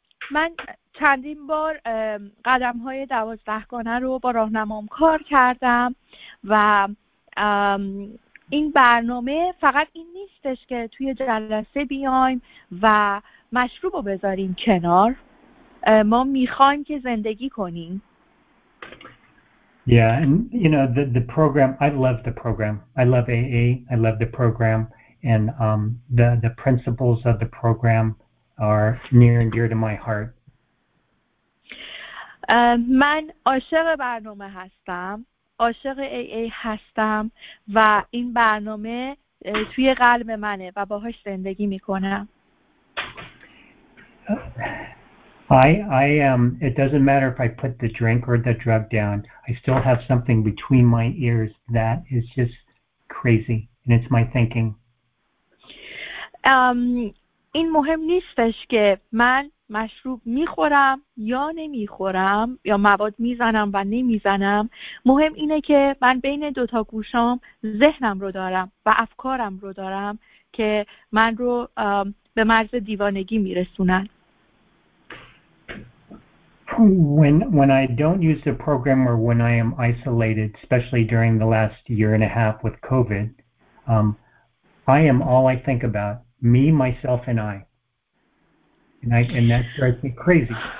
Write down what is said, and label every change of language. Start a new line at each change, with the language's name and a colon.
Persian: من چندین بار قدم های 12 گانه رو با راهنمام کار کردم و این برنامه فقط این نیستش که توی جلسه بیایم و مشروب رو بذاریم کنار. ما میخوایم که زندگی کنیم.
English: Yeah, and you know the program. I love the program. I love AA. I love the program, and the principles of the program are near and dear to my heart.
Persian: من عاشق برنامه هستم. عاشق AA هستم و این برنامه توی قلب منه و باهاش زندگی میکنم.
English: I am, it doesn't matter if I put the drink or the drug down, I still have something between my ears that is just crazy, and it's my thinking.
Persian: این مهم نیستش که من مشروب میخورم یا نمیخورم یا مواد میزنم و نمیزنم. مهم اینه که من بین دوتا گوشام ذهنم رو دارم و افکارم رو دارم که من رو به مرز دیوانگی میرسونن.
English: When I don't use the program or when I am isolated, especially during the last year and a half with COVID, I am all I think about, me, myself, and I. And that drives me crazy.